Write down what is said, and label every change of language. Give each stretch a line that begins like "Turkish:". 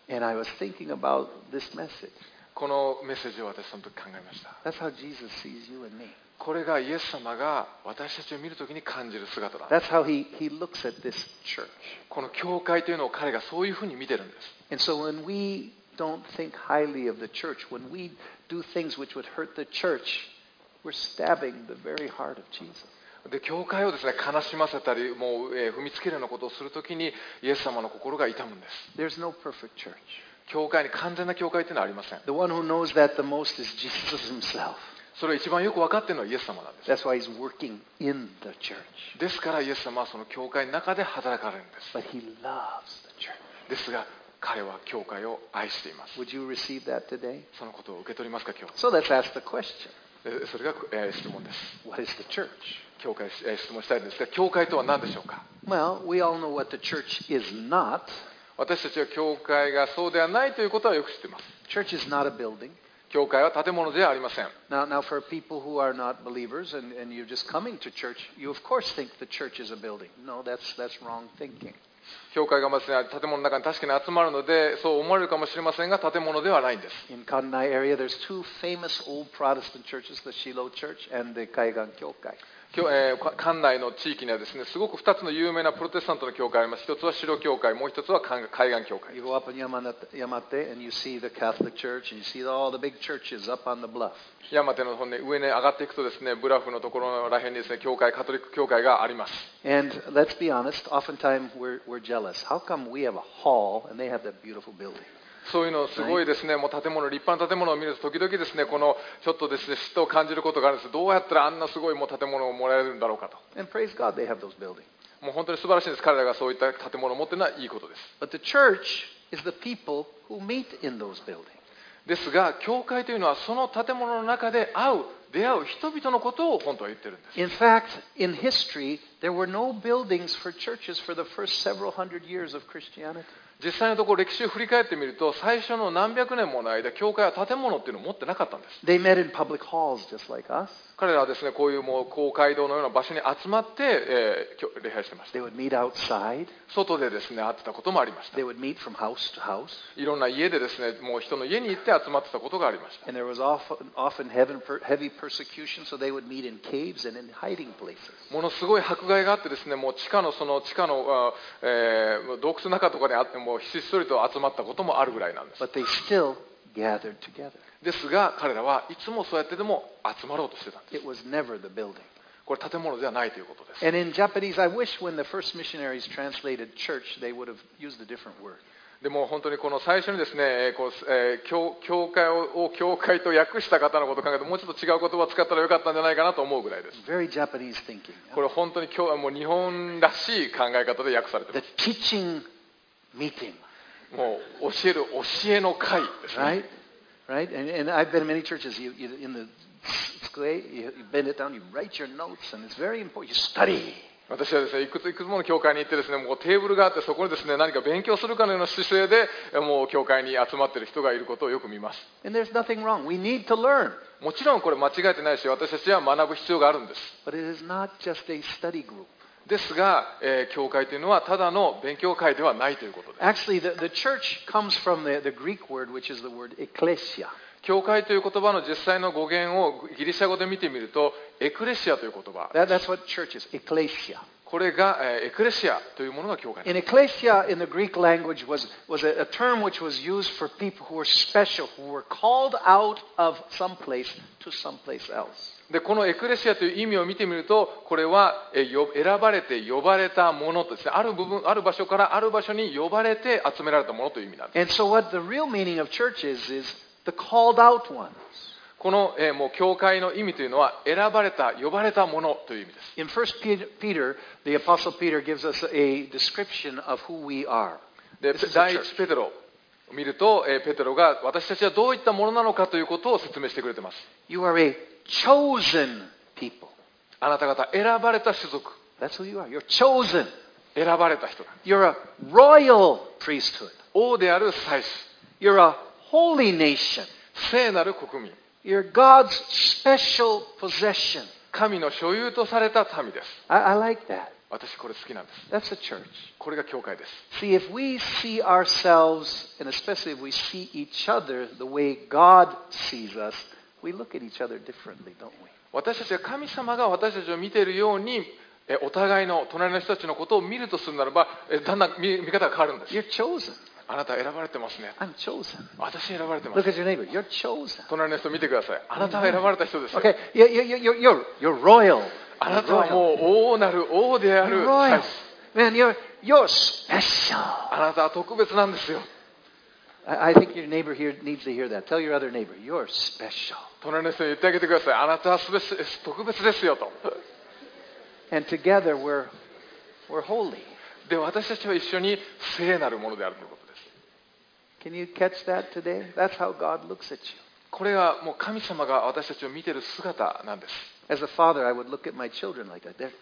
English: And I was thinking about this message.
Japanese: このメッセージを私その時考えました。
English: That's how Jesus sees you and me.
Japanese: これがイエス様が私たちを見るときに感じる姿だ。
English: That's how he looks at this church.
Japanese: この教会というのを彼がそういうふうに見てるんです。
English: And so when we don't think highly of the church, when we do things which would hurt the church, we're stabbing the very heart of Jesus.
Japanese: で教会をですね、悲しませたり、もう、踏みつけるようなことをするときにイエス様の心が痛むんです。
English: There's no perfect church.
Japanese: 教会に完全な教会というのはありません。
English: The one who knows that the most is Jesus himself.
Japanese: それを一番よく分かっているのはイエス様なんです。
English: That's why he's working in the church.
Japanese: ですからイエス様はその教会の中で働かれるんです。
English: But he loves the church.
Japanese: ですが彼は教会を愛しています。
English: Would you receive that today?
Japanese: そのことを受け取りますか、今日。
English: So let's ask the question.
Japanese: それが質問です。
English: What is the church?
Japanese: 教会、質問したいんですが、教会とは何でしょうか。
English: Well, we all know what the church is not.
Japanese: 私たちは教会がそうではないということはよく知っています。
English: Church is not a building.
Japanese: 教会は建物ではありません。
English: Now, for people who are not believers and you're just coming to church, you of course think the church is a building. No, that's wrong thinking.
Japanese: 教会がまず、ね、建物の中に確かに集まるのでそう思われるかもしれませんが建物ではないんです。
English: In Kanai area, there's two famous old Protestant churches, the Shiloh Church and the Kaigan 教会。
Japanese: 館内の地域にはですね、すごく2つの有名なプロテスタントの教会があります。1つはシロ教会、もう1つは海岸教会。
English: You go up on Yamate and you see the Catholic Church and you see all the big churches up on the bluff.
Japanese: 山手の方に上に上がっていくとですね、ブラフのところらへんにですね、教会、カトリック教会があります。
English: And let's be honest, oftentimes we're jealous. How come we have a hall and they have that beautiful building?
Japanese: そういうのすごいですね、もう建物、立派な建物を見ると時々ですね、このちょっとですね、嫉妬を感じることがあるんです。どうやったらあんなすごいもう建物をもらえるんだろうかと。
English: And praise God, they have those buildings.
Japanese: もう本当に素晴らしいです。彼らがそういった建物を持っているのはいいことです。
English: But the church is the people who meet in those buildings.
Japanese: ですが、教会というのはその建物の中で出会う人々のことを本当は言っているんです。
English: In fact, in history, there were no buildings for churches for the first several hundred years of Christianity.
Japanese: 実際のところ歴史を振り返ってみると最初の何百年もの間教会は建物っていうのを持ってなかったんです。
English: They met in public halls, just like us.
Japanese: 彼らはですね、こういうもう公会堂のような場所に集まって、礼拝してました。
English: They would meet outside.
Japanese: 外でですね、会ってたこともありました。
English: They would meet from house to house.
Japanese: いろんな家でですね、もう人の家に行って集まってたことがありました。
English: And there was often heavy persecution, so they would meet in caves and in hiding places.
Japanese: ものすごい迫害があってですね、もう地下のその地下の、洞窟の中とかにあってもひっそりと集まったこともあるぐらいなんです。
English: But they still gathered together.
Japanese: ですが彼らはいつもそうやってでも集まろうとしてたんです。
English: It was never the building.
Japanese: これ建物ではないということです。
English: And in Japanese, I wish when the first missionaries translated church, they would have used a different word.
Japanese: でも本当にこの最初にですね、教会を教会と訳した方のことを考えると、もうちょっと違う言葉を使ったらよかったんじゃないかなと思うぐらいです。
English: Very Japanese thinking.
Japanese: これ本当に今日はもう日本らしい考え方で訳されています。
English: The teachingMeeting.
Japanese: もう教える教えの会ですね。
English: Right, right. And I've been in many churches. You in the square, you bend it down, you write your notes, and it's very important. You study.
Japanese: 私はですね、いくつもの教会に行ってですね、もうテーブルがあってそこにですね、何か勉強するかのような姿勢で、もう教会に集まっている人がいることをよく見ます。
English: And there's nothing wrong. We need to learn.
Japanese: もちろんこれ間違えてないし、私たちは学ぶ必要があるんです。
English: But it is not just a study group.
Japanese: ですが、教会というのはただの勉強会ではないということです。
English: Actually, the church comes from the Greek word, which is the word ekklesia.
Japanese: 教会という言葉の実際の語源をギリシャ語で見てみると、エクレシアという言葉です。
English: That's what church is, ekklesia.
Japanese: これが、エクレシアというものが教会です。
English: And ekklesia in the Greek language was a term which was used for people who were special, who were called out of some place to some place else.
Japanese: でこのエクレシアという意味を見てみると、これは選ばれて呼ばれたものですね。ある部分、ある場所からある場所に呼ばれて集められたものという意味なんです。
English: And so what the real meaning of church is the called out ones.
Japanese: この、もう教会の意味というのは選ばれた呼ばれたものという意味です。
English: In 1 Peter, the Apostle Peter gives us a description of who we are.
Japanese: で第1ペテロ見ると、ペテロが私たちはどういったものなのかということを説明してくれてます。
English: You are a chosen people.
Japanese: あなた方、選ばれた種族。
English: That's who you are. You're chosen.
Japanese: 選ばれた人。
English: You're a royal priesthood.
Japanese: 王である祭司。
English: You're a holy nation.
Japanese: 聖なる国民。
English: You're God's special possession.
Japanese: 神の所有とされた民です。
English: I like that.
Japanese: 私これ好きなんです。
English: That's a church.
Japanese: これが教会です。
English: See, if we see ourselves, and especially if we see each other the way God sees us, we look at each other differently, don't we?
Japanese: 私たちは神様が私たちを見ているように、お互いの隣の人たちのことを見るとするならば、だんだん 見方が変わるんです。
English: You're chosen.
Japanese: あなた選ばれてますね。
English: I'm chosen.
Japanese: 私選ばれてます。
English: Look at your neighbor. You're chosen.
Japanese: 隣の人見てください。あなたが選ばれた人です
English: よ。Okay. You're royal.
Japanese: あなたはもう王なる王である。
English: Man, you're special.
Japanese: あなたは特別なんですよ。
English: I think your neighbor here needs to hear that. Tell your other neighbor, you're special.
Japanese: 隣の人に言ってあげてください。あなたは特別ですよと。
English: And together we're holy.
Japanese: で、私たちは一緒に聖なるものであるということです。
English: Can you catch that today? That's how God looks at you.
Japanese: これはもう神様が私たちを見ている姿なんです。
English: As a father, I would look at my children like that.